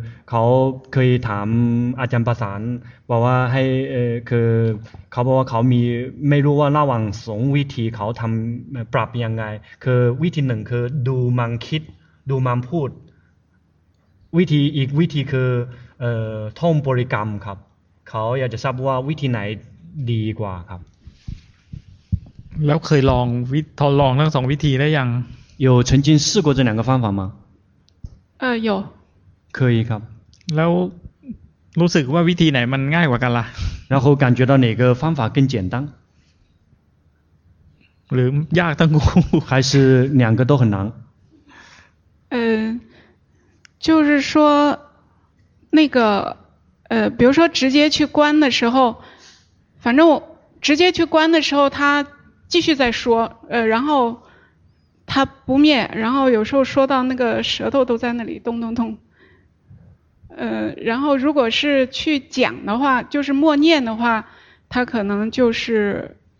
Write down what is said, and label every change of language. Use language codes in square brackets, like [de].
[th] เขาเคยถามอาจารย์ประสานบอกว่าให้คือเขาบอกว่าเขามีไม่รู้ว่าระหว่างสองวิธีเขาทำปรับยังไงคือวิธีหนึ่งคือดูมันคิดดูมันพูดวิธีอีกวิธีคือท่องบริกรรมครับเขาอยากจะทราบว่าวิธีไหนดีกว่าครับ แล้วเคยลองวิทดลองทั้งสองวิธีได้ยัง [zh] 有曾经试过这两个方法吗有可以 [th] ครับ แล้วรู้สึกว่าวิธีไหนมันง่ายกว่ากันล่ะ [zh] 然后感觉到哪个方法更简单 [th] หรือยากทั้งคู่ [zh] 还是两个都很难就是说那个比如说直接去关的时候反正我直接去关的时候他继续在说然后他不灭然后有时候说到那个舌头都在那里咚咚咚然后如果是去讲的话就是默念的话他可能就是